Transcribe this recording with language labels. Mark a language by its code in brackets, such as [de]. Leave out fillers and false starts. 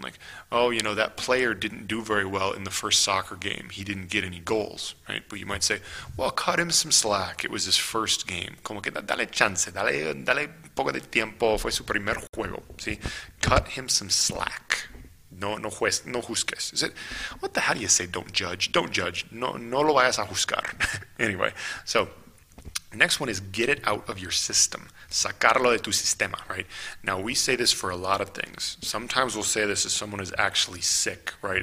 [en] Like, oh, you know, that player didn't do very well in the first soccer game. He didn't get any goals, right? But you might say, well, cut him some slack. It was his first game. [es] Como que dale chance, dale poco de tiempo. Fue su primer juego, ¿sí? [en] Cut him some slack. [es] No juzgues. [en] Is it, what the, how do you say don't judge? Don't judge. [es] No lo vayas a juzgar. [en] Anyway, so next one is get it out of your system. [es] Sacarlo de tu sistema, right? [en] Now, we say this for a lot of things. Sometimes we'll say this if someone is actually sick, right?